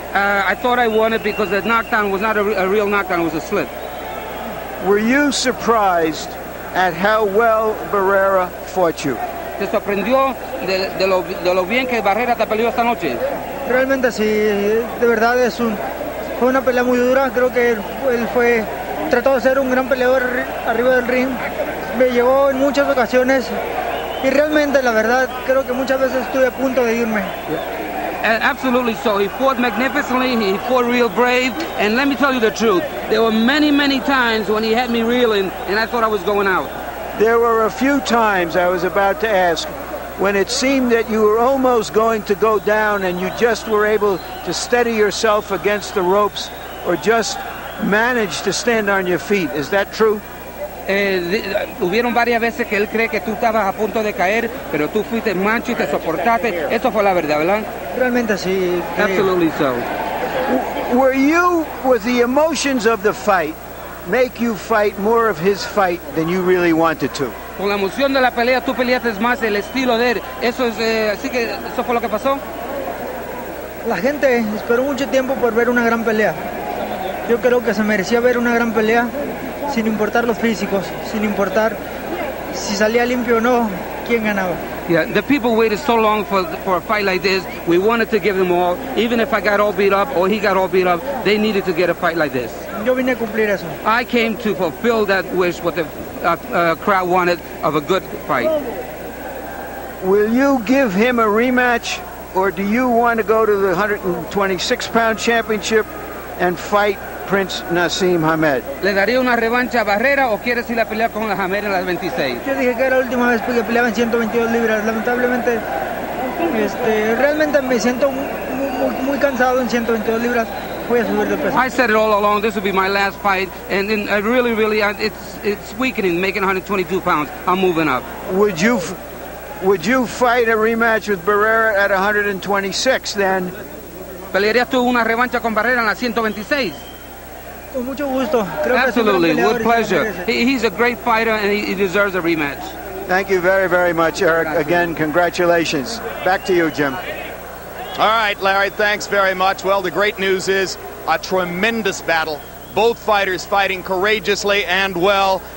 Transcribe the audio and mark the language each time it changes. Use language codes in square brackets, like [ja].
[en] I thought I won it because the knockdown was not a real knockdown, it was a slip. Were you surprised at how well Barrera fought you? [es] ¿Te sorprendió de lo bien que Barrera te peleó esta noche? Realmente sí, de verdad fue una pelea muy dura. Creo que él fue, trató de ser un gran peleador arriba del ring. Me llevó en muchas ocasiones y realmente, la verdad, creo que muchas veces estuve a punto de irme. [en] Yeah. Absolutely so. He fought magnificently, he fought real brave. And let me tell you the truth, there were many, many times when he had me reeling and I thought I was going out. There were a few times, I was about to ask, when it seemed that you were almost going to go down and you just were able to steady yourself against the ropes or just manage to stand on your feet. Is that true? [es] Hubieron varias veces que él cree que tú estabas a punto de caer, pero tú fuiste mancho y te soportaste. Eso fue la verdad, ¿verdad? Realmente sí. [en] Absolutely so. Was the emotions of the fight make you fight more of his fight than you really wanted to? [es] Con la emoción de la pelea, tú peleaste más el estilo de él. Eso es, así que, ¿eso fue lo que pasó? La gente esperó mucho tiempo por ver una gran pelea. Yo creo que se merecía ver una gran pelea, sin importar los físicos, sin importar si salía limpio o no, quién ganaba. [en] Yeah, the people waited so long for a fight like this. We wanted to give them all, even if I got all beat up or he got all beat up, they needed to get a fight like this. [es] Yo vine a cumplir eso. [en] I came to fulfill that wish, what the crowd wanted of a good fight. Will you give him a rematch, or do you want to go to the 126-pound championship and fight Prince Nassim Hamed? [es] ¿Le daría una revancha a Barrera o quieres ir a pelear con la Hamed en las 26? Yo dije que era la última vez porque peleaba en 122 libras. Lamentablemente, realmente me siento muy, muy, muy cansado en 122 libras. fui a subir de peso. [en] I said it all along, this would be my last fight, and then I really, really, it's weakening, making 122 pounds. I'm moving up. Would you fight a rematch with Barrera at 126 then? [es] ¿Pelearías tú una revancha con Barrera en la 126? Con mucho gusto. Creo [en] absolutely, with pleasure. He's a great fighter and he deserves a rematch. Thank you very, very much, Eric. Again, congratulations. Back to you, Jim. All right, Larry, thanks very much. Well, the great news is a tremendous battle. Both fighters fighting courageously and well.